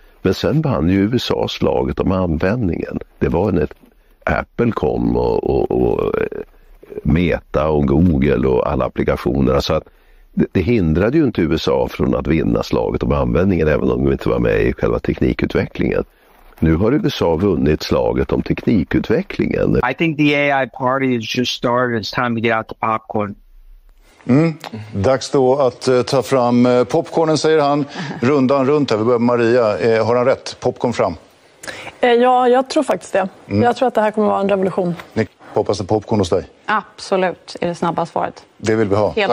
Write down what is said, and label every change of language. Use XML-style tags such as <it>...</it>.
<sv>Men sen vann ju USA slaget om användningen. Det var när Apple kom och Meta och Google och alla applikationer. Så att det hindrade ju inte USA från att vinna slaget om användningen, även om de inte var med i själva teknikutvecklingen. Nu har USA vunnit slaget om teknikutvecklingen.</sv> <en>I think the AI party has just started. It's time to get out the popcorn. Mm.</en> <sv>Dags då att ta fram popcornen, säger han. Rundan runt här. Vi börjar med Maria. Har han rätt? Popcorn fram. Ja, jag tror faktiskt det. Mm. Jag tror att det här kommer vara en revolution. Nick, hoppas det popcorn hos dig? Absolut, är det snabba svaret. Det vill vi ha. Helt</sv>